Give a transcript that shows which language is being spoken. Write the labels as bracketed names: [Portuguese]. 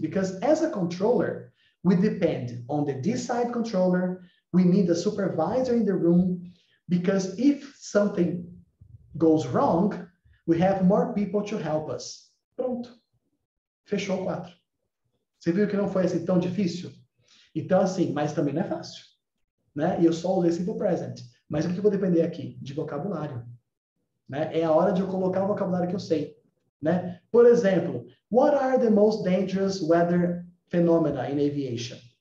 [English] Because as a controller, we depend on the D-side controller. We need a supervisor in the room. Because if something goes wrong, we have more people to help us. [Portuguese] Pronto. Fechou o 4. Você viu que não foi assim tão difícil? Então, assim, mas também não é fácil. Né? E eu só usei simple present. Mas o que eu vou depender aqui? De vocabulário. Né? É a hora de eu colocar o vocabulário que eu sei. Né? Por exemplo, [English] what are the most dangerous weather phenomena in aviation?